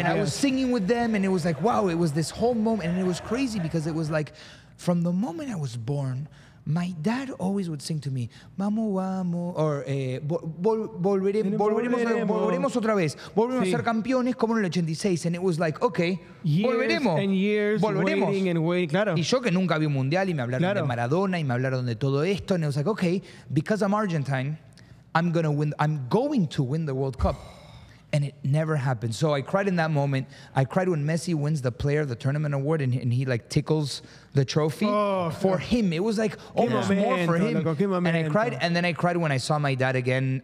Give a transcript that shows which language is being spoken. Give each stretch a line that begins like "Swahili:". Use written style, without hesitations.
English: And I was singing with them and it was like, wow, it was this whole moment. And it was crazy because it was like, from the moment I was born, my dad always would sing to me, Mamo, vamo, or
Spanish: volveremos a ser campeones como en el 86.
English: And it was like, okay, years
Spanish: volveremos.
English: And years
Spanish: volveremos.
English: Waiting and waiting, claro.
Spanish: Y yo que nunca vi un mundial y me hablaron de Maradona y me hablaron de todo esto.
English: And it was like, okay, because I'm Argentine, I'm going to win the World Cup. And it never happened. So I cried in that moment. I cried when Messi wins the player, the tournament award, and he like tickles the trophy for him. It was like almost more for him. And I cried. And then I cried when I saw my dad again.